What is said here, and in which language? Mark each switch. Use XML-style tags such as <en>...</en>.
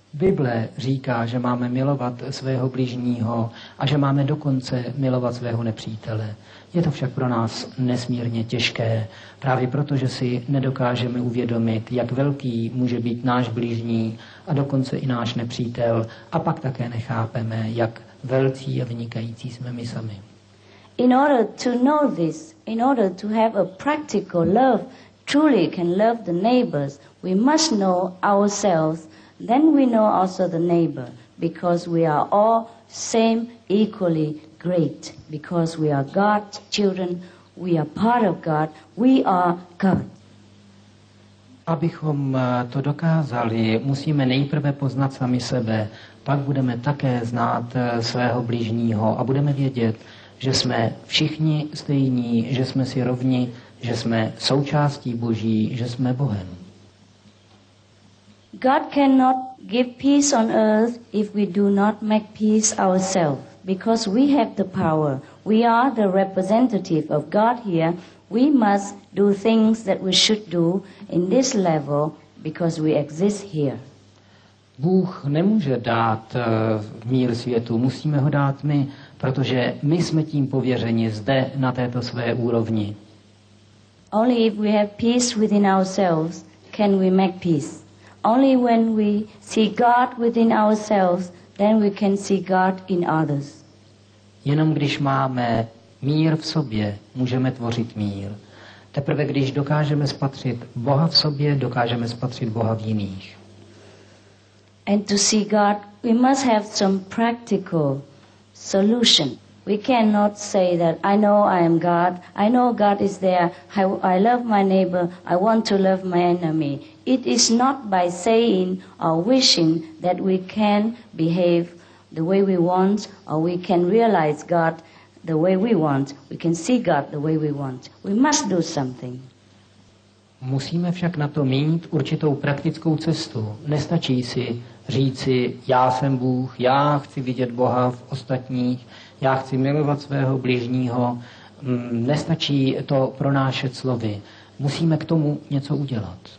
<cs>Bible říká, že máme milovat svého bližního a že máme dokonce milovat svého nepřítele. Je to však pro nás nesmírně těžké, právě proto, že si nedokážeme uvědomit, jak velký může být náš bližní a dokonce i náš nepřítel, a pak také nechápeme, jak velcí a vynikající jsme my sami.</cs> <en>In order to know this, in order to have a practical love, truly can love the neighbors, we must know ourselves, then we know also the neighbor, because we are all same equally great, because we are God's children, we are part of God, we are God.</en> <cs>Abychom to dokázali, musíme nejprve poznat sami sebe, pak budeme také znát svého blížního a budeme vědět, že jsme všichni stejní, že jsme si rovni, že jsme součástí Boží, že jsme Bohem.</cs> <en>God cannot give peace on earth if we do not make peace ourselves, because we have the power. We are the representative of God here. We must do things that we should do in this level because we exist here.</en> <cs>Bůh nemůže dát mír světu, musíme ho dát my, protože my jsme tím pověřeni zde na této své úrovni.</cs> <en>Only if we have peace within ourselves can we make peace. Only when we see God within ourselves, then we can see God in others.</en> <cs>Jenom když máme mír v sobě, můžeme tvořit mír. Teprve když dokážeme spatřit Boha v sobě, dokážeme spatřit Boha v jiných.</cs> <en>And to see God, we must have some practical solution. We cannot say that I know I am God. I know God is there. I love my neighbor. I want to love my enemy. It is not by saying or wishing that we can behave the way we want, or we can realize God the way we want. We can see God the way we want. We must do something.</en> <cs>Musíme však na to mít určitou praktickou cestu. Nestačí si říci, já jsem Bůh, já chci vidět Boha v ostatních, já chci milovat svého bližního. Nestačí to pronášet slovy. Musíme k tomu něco udělat.</cs>